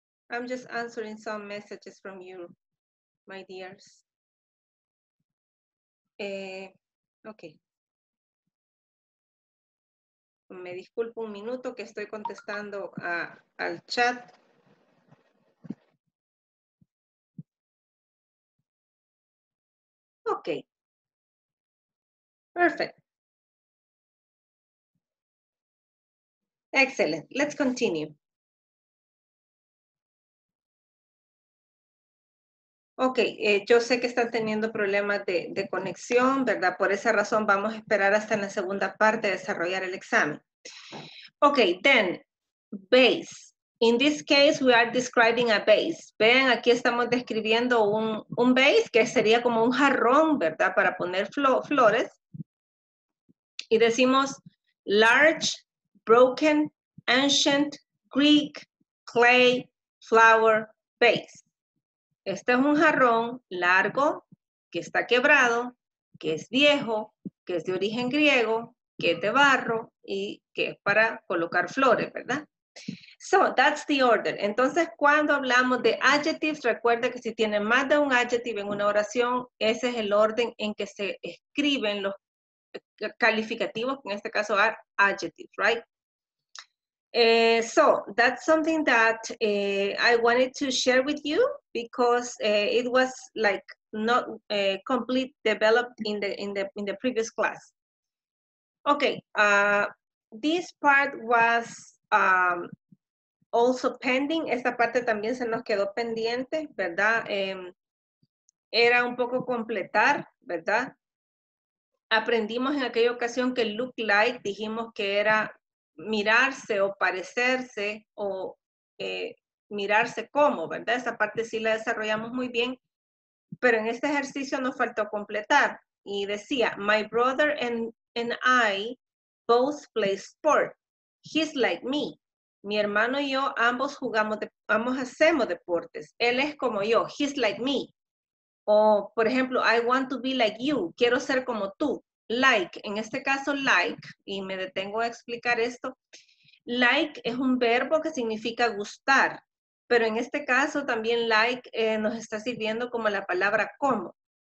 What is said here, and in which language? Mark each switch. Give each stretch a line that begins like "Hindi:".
English: I'm just answering some messages from you, my dears.
Spanish: Me disculpo un minuto que estoy contestando al chat.
English: Okay. Perfect. Excellent. Let's continue.
Spanish: Ok, yo sé que están teniendo problemas de conexión, ¿verdad? Por esa razón vamos a esperar hasta en la segunda parte de desarrollar el examen.
English: Ok, then, base. In this case, we are describing a base.
Spanish: Vean, aquí estamos describiendo un base que sería como un jarrón, ¿verdad? Para poner flores. Y decimos,
English: large, broken, ancient, Greek, clay, flower, base.
Spanish: Este es un jarrón largo, que está quebrado, que es viejo, que es de origen griego, que es de barro y que es para colocar flores, ¿verdad?
English: So, that's the order.
Spanish: Entonces, cuando hablamos de adjectives, recuerde que si tiene más de un adjective en una oración, ese es el orden en que se escriben los calificativos, en este caso,
English: are adjectives, right? So, that's something that I wanted to share with you because it was like not complete developed in the previous class. Okay, this part was also pending.
Spanish: Esta parte también se nos quedó pendiente, ¿verdad? Era un poco completar, ¿verdad? Aprendimos en aquella ocasión que look like, dijimos que era mirarse o parecerse o mirarse como, ¿verdad? Esa parte sí la desarrollamos muy bien, pero en este ejercicio nos faltó completar. Y decía,
English: my brother and I both play sport. He's like me.
Spanish: Mi hermano y yo ambos jugamos, ambos hacemos deportes. Él es como yo.
English: He's like me.
Spanish: O, por ejemplo,
English: I want to be like you.
Spanish: Quiero ser como tú. Like, en este caso, like, y me detengo a explicar esto. Like es un verbo que significa gustar, pero en este caso también like nos está sirviendo como la palabra como.